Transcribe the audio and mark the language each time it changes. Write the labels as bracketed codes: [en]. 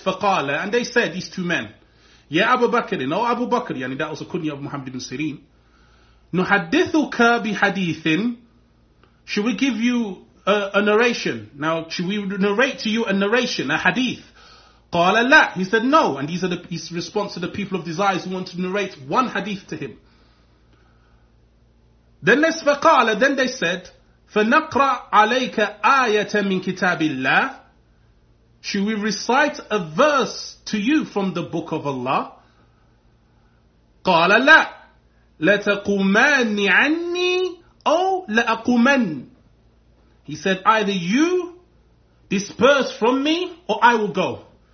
[en] فقالت, and they said, these two men, Ya Abu Bakr, no Abu Bakr, yani that was a kunya of Muhammad ibn Sirin, [ar] نحدثك بحديث [en] Should we give you a narration? Now, should we narrate to you a narration, a hadith? [ar] Qala la. [en] He said no. And these are his response to the people of desires who want to narrate one hadith to him. Then they said, [ar] فَنَقْرَ عَلَيْكَ آيَةً مِنْ كِتَابِ اللَّهِ. [en] Should we recite a verse to you from the book of Allah? [ar] قَالَ لَا لَتَقُمَانِ عَنِّي أَوْ لَأَقُمَنْ. [en] He said, either you disperse from me or I will go.